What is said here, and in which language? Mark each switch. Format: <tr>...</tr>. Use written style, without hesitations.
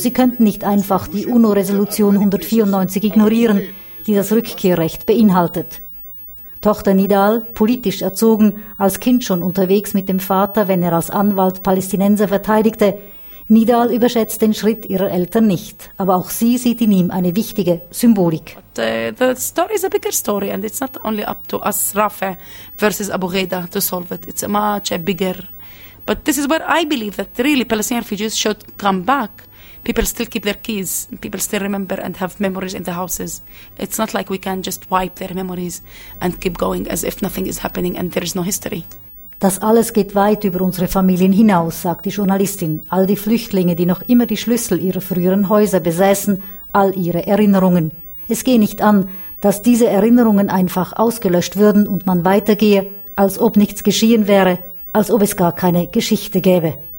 <de>Sie könnten nicht einfach die UNO-Resolution 194 ignorieren, die das Rückkehrrecht beinhaltet. Tochter Nidal, politisch erzogen, als Kind schon unterwegs mit dem Vater, wenn er als Anwalt Palästinenser verteidigte. Nidal überschätzt den Schritt ihrer Eltern nicht, aber auch sie sieht in ihm eine wichtige Symbolik.</de> <en>The story is a bigger story and it's not only up to us, Rafe versus Abu Ghaida, to solve it. It's much bigger. But this is where I believe that really Palestinian refugees should come back. People still keep their keys. People still remember and have memories in the houses. It's not like we can just wipe their memories and keep going as if nothing is happening and there is no history.</en> <de>Das alles geht weit über unsere Familien hinaus, sagt die Journalistin. All die Flüchtlinge, die noch immer die Schlüssel ihrer früheren Häuser besäßen, all ihre Erinnerungen. Es gehe nicht an, dass diese Erinnerungen einfach ausgelöscht würden und man weitergehe, als ob nichts geschehen wäre, als ob es gar keine Geschichte gäbe.</de>